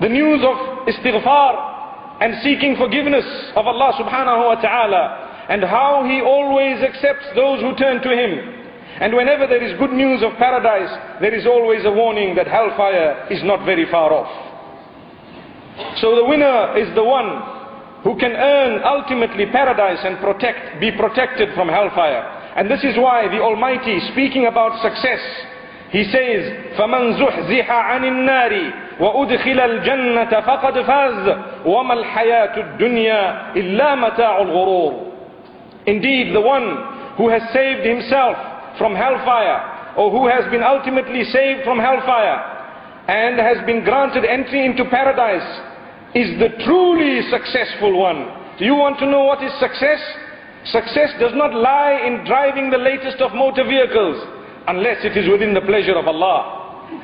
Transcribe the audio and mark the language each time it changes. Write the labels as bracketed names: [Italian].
[English] The news of istighfar and seeking forgiveness of Allah subhanahu wa ta'ala, and how he always accepts those who turn to him. And whenever there is good news of paradise, there is always a warning that hellfire is not very far off. So the winner is the one who can earn ultimately paradise and be protected from hellfire. And this is why the Almighty, speaking about success, he says, [Arabic] فَمَنْ زُحْزِحَ عَنِ النَّارِ وَأُدْخِلَ الْجَنَّةَ فَقَدْ فَازْ وَمَا الْحَيَاةُ الدُّنْيَا إِلَّا مَتَاعُ الْغُرُورِ. [English] Indeed, the one who has saved himself from hellfire, or who has been ultimately saved from hellfire and has been granted entry into paradise, is the truly successful one. Do you want to know what is success? Success does not lie in driving the latest of motor vehicles, unless it is within the pleasure of Allah.